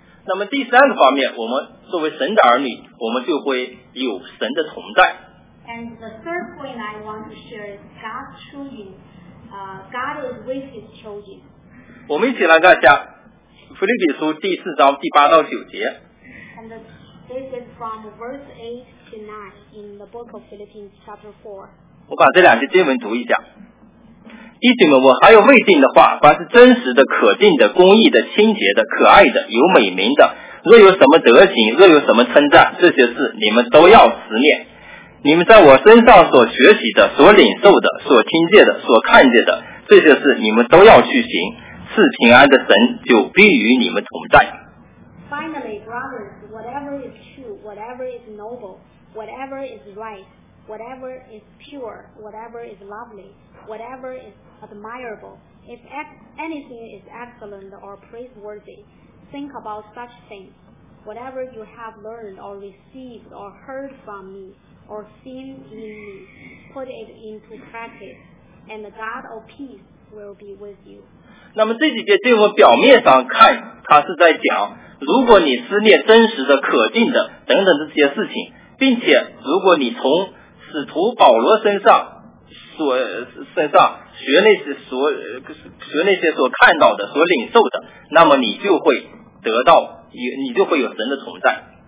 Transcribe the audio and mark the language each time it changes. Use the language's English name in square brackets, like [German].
[Chinese] 那么第三个方面，我们作为神的儿女，我们就会有神的同在。 [English] And the third point I want to share is God's children. God is with his children. [Chinese] 我们一起来看一下《腓立比书》第四章第八到九节。 [English] And this is from verse 8 to 9 in the book of Philippians chapter 4. [Chinese] 我把这两节经文读一下。弟兄们，我还有未尽的话，凡是真实的、可敬的、公义的、清洁的、可爱的、有美名的，若有什么德行，若有什么称赞，这些事你们都要思念。你们在我身上所学习的、所领受的、所听见的、所看见的，这些事你们都要去行。赐平安的神就必与你们同在。 [English] Finally, brothers, whatever is true, whatever is noble, whatever is right, whatever is pure, whatever is lovely, whatever is admirable, If anything is excellent or praiseworthy, think about such things. Whatever you have learned or received or heard from me or seen in me, put it into practice, and the God of peace will be with you. [Chinese] 那么这几节经文表面上看，他是在讲，如果你思念真实的、可敬的等等这些事情，并且如果你从使徒保罗身上学那些所看到的、所领受的，那么你就会得到，你就会有神的同在。